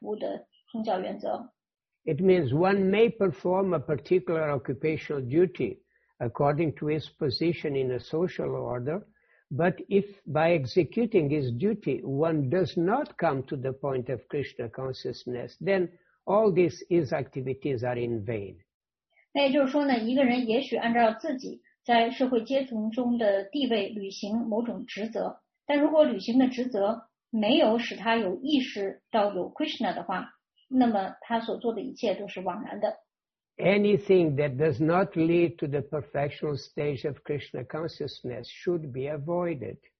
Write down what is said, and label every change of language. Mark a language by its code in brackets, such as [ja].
[zh] 他就讲到呢，根据覆盖的程序，人应该只接受最终引导他为至尊主做奉爱服务的宗教原则。 [en] It means one may perform a particular occupational duty according to his position in a social order, but if by executing his duty one does not come to the point of Krishna consciousness, then all these his activities are in vain. [zh] 那也就是说呢，一个人也许按照自己 在社会阶层中的地位履行某种职责，但如果履行的职责没有使他有意识到有Krishna的话，那么他所做的一切都是枉然的。 [en] Anything that does not lead to the perfectional stage of Krishna consciousness should be avoided.